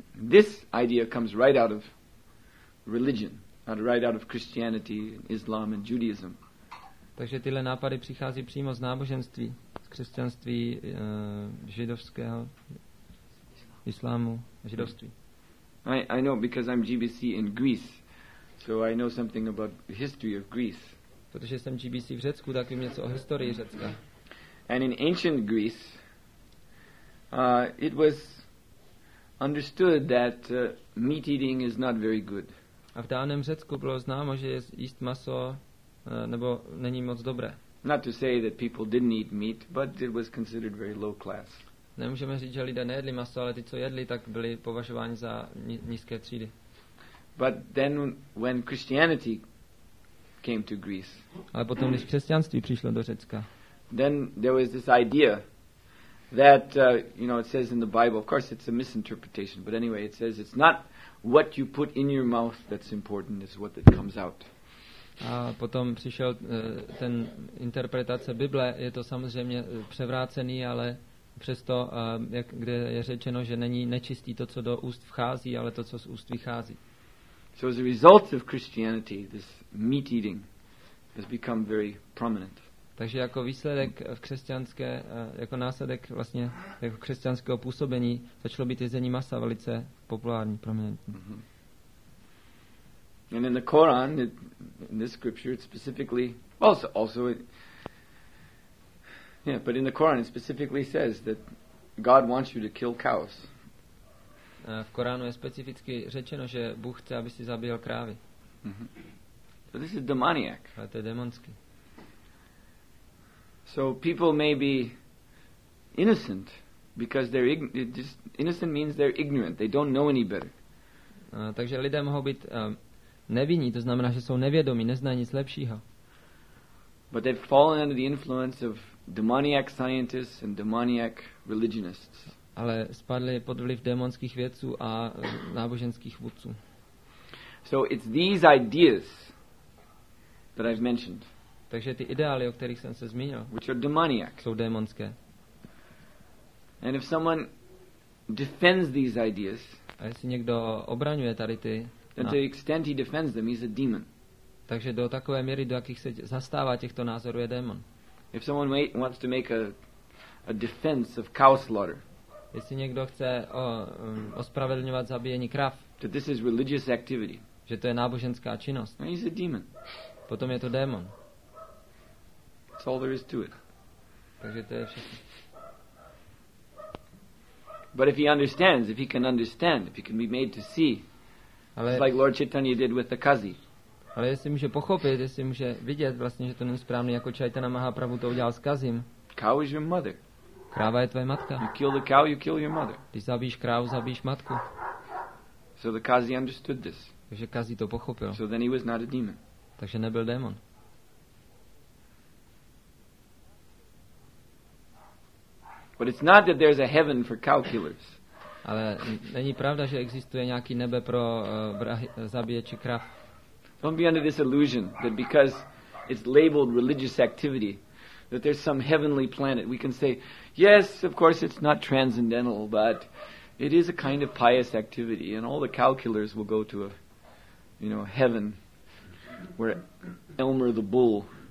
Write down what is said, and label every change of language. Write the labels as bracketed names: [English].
[English] This idea comes right out of religion, right out of Christianity, Islam and Judaism. [Czech] Takže tyhle nápady přichází přímo z náboženství. Křesťanství, židovského, islámu, židovství. [English] I know because I'm GBC in Greece, so I know something about the history of Greece. [Czech] Protože jsem GBC v Řecku, tak vím něco o historii Řecka. [English] And in ancient Greece, it was understood that meat eating is not very good. [Czech] A v dávném Řecku bylo známo, že jíst maso nebo není moc dobré. [English] Not to say that people didn't eat meat, but it was considered very low class. [Czech] Nemůžeme říct, že lidé nejedli maso, ale ty, co jedli, tak byli považováni za nízké třídy. [English] But then when Christianity came to Greece. [Czech] Ale potom, když křesťanství přišlo do Řecka. [English] Then there was this idea that you know, it says in the Bible, of course it's a misinterpretation, but anyway, it says it's not what you put in your mouth that's important, it's what that comes out. [Czech] A potom přišel ten interpretace Bible, je to samozřejmě převrácený, ale přesto, kde je řečeno, že není nečistý to, co do úst vchází, ale to, co z úst vychází. [English] So as a result of Christianity, this meat eating has become very prominent. [Czech] Takže jako výsledek v křesťanské, jako následek vlastně jako křesťanského působení, začalo být jezení masa velice populární, prominentní. [English] And in the Quran, in this scripture, it specifically, but in the Quran it specifically says that God wants you to kill cows. [Czech] V Koránu je specificky řečeno, že Bůh chce, aby si zabil krávy. [English] So this is demoniac. [Czech] A to je demonský. [English] So people may be innocent, because they're innocent means they're ignorant. They don't know any better. [Czech] Takže lidé mohou být nevinní, to znamená, že jsou nevědomí, neznají nic lepšího. [English] But they've fallen under the influence of demoniac scientists and demoniac religionists. [Czech] Ale spadli pod vliv démonských vědců a náboženských vůdců. [English] So it's these ideas that I've mentioned. [Czech] Takže ty ideály, o kterých jsem se zmínil, [English] which are demoniac. [Czech] Jsou démonské. [English] And if someone defends these ideas, [Czech] a jestli někdo obraňuje tady ty [English] to the extent he defends them, he's a demon. [Czech] Takže do takové míry, do jakých se zastává těchto názorů, je démon. [English] If someone wants to make a defense of cow slaughter, [Czech] jestli někdo chce ospravedlňovat zabíjení krav, [English] that this is religious activity, [Czech] že to je náboženská činnost, [English] then he's a demon. [Czech] Potom je to démon. [English] That's all there is to it. [Czech] Takže to je všechno. [English] But if he understands, if he can understand, if he can be made to see, [Czech] ale, [English] it's like Lord Chaitanya did with the Kazi. [Czech] Ale jestli může pochopit, jestli může vidět vlastně, že to není správný, jako Chaitanya Mahaprabhu to udělal s Kazim. [English] Cow is your mother. [Czech] Kráva je tvoje matka. [English] You kill the cow, you kill your mother. [Czech] Když zabíš krávu, zabíš matku. [English] So the Kazi understood this. [Czech] Takže Kazi to pochopil. [English] So then he was not a demon. [Czech] Takže nebyl démon. [English] But it's not that there's a heaven for cow killers. [Czech] Ale není pravda, že existuje nějaký nebe pro zabíječe krav. [English] Don't be under this illusion that because it's labeled religious activity, that there's some heavenly planet. We can say, yes, of course, it's not transcendental, but it is a kind of pious activity, and all the cow killers will go to a, you know, heaven where Elmer the bull